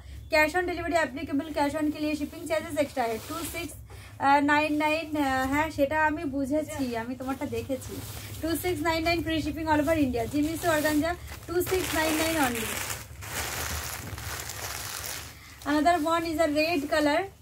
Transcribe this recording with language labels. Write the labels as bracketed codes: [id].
[hi] Cash on delivery applicable, cash on के लिए shipping charges extra है 2699। [bn] हाँ সেটা আমি বুঝেছি, আমি তোমারটা দেখেছি 2699 [en] free shipping all over India [bn] Jimmy সু organza 2699 only. [en] Another one is a red color.